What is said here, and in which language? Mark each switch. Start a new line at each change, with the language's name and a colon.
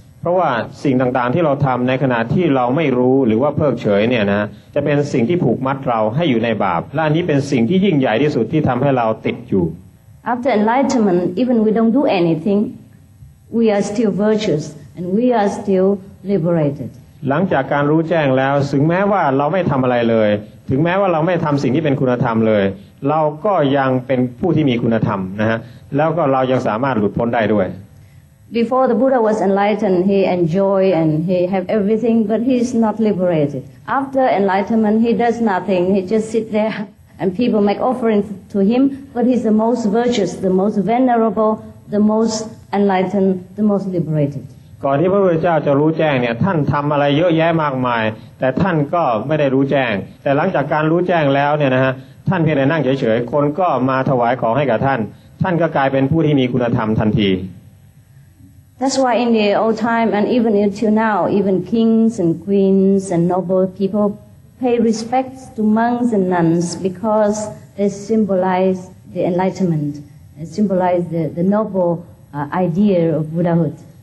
Thai: เพราะว่าสิ่งต่างๆที่เราทําในขณะที่เราไม่รู้หรือว่าเพิกเฉยเนี่ยนะจะเป็นสิ่งที่ผูกมัดเราให้อยู่ในบาปและอันนี้เป็นสิ่งที่ยิ่งใหญ่ที่สุดที่ทําให้เราติดอยู่
English: After enlightenment even we don't do anything we are still virtuous and we are still liberated
Thai: หลังจากการรู้แจ้งแล้วถึงแม้ว่าเราไม่ทําอะไรเลยถึงแม้ว่าเราไม่ทําสิ่งที่เป็นคุณธรรมเลย เราก็ยังเป็นผู้ที่มีคุณธรรมนะฮะแล้วก็เรายังสามารถหลุดพ้นได้ด้วย
English: Before the Buddha was enlightened he enjoy and he have everything but he is not liberated After enlightenment he does nothing he just sit thereAnd people make offerings to him, but he's the most virtuous, the most venerable, the most enlightened, the most liberated.
Thai: ก่อนที่พระพุทธเจ้าจะรู้แจ้งเนี่ยท่านทำอะไรเยอะแยะมากมายแต่ท่านก็ไม่ได้รู้แจ้งแต่หลังจากการรู้แจ้งแล้วเนี่ยนะฮะท่านเพียงแต่นั่งเฉยๆคนก็มาถวายของให้กับท่านท่านก็กลายเป็นผู้ที่มีคุณธรรมทันที
English: That's why in the old time and even until now, even kings and queens and noble peoplePay respect to monks and nuns because they symbolize the enlightenment and symbolize the noble idea of Buddhahood